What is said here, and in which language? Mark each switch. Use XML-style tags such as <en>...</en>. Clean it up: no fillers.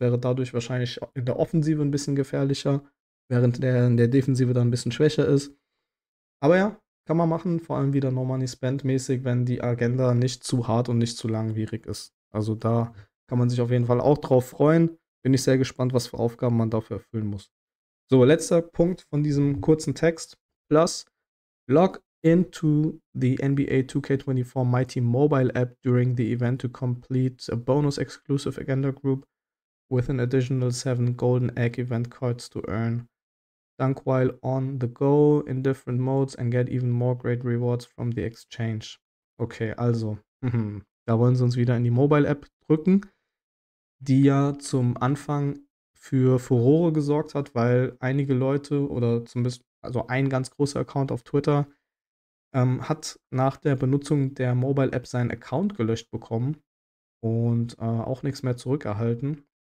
<de>Wäre dadurch wahrscheinlich in der Offensive ein bisschen gefährlicher, während der in der Defensive dann ein bisschen schwächer ist. Aber ja, kann man machen, vor allem wieder No Money Spend mäßig, wenn die Agenda nicht zu hart und nicht zu langwierig ist. Also da kann man sich auf jeden Fall auch drauf freuen. Bin ich sehr gespannt, was für Aufgaben man dafür erfüllen muss. So, letzter Punkt von diesem kurzen Text.</de> <en>Plus, log into the NBA 2K24 Mighty Mobile App during the event to complete a bonus exclusive Agenda Group with an additional 7 Golden Egg Event Cards to earn. Dunk while on the go in different modes and get even more great rewards from the exchange.</en> <de>Okay, also, da wollen sie uns wieder in die Mobile App drücken, die ja zum Anfang für Furore gesorgt hat, weil einige Leute oder zumindest also ein ganz großer Account auf Twitter hat nach der Benutzung der Mobile App seinen Account gelöscht bekommen und auch nichts mehr zurückerhalten.</de>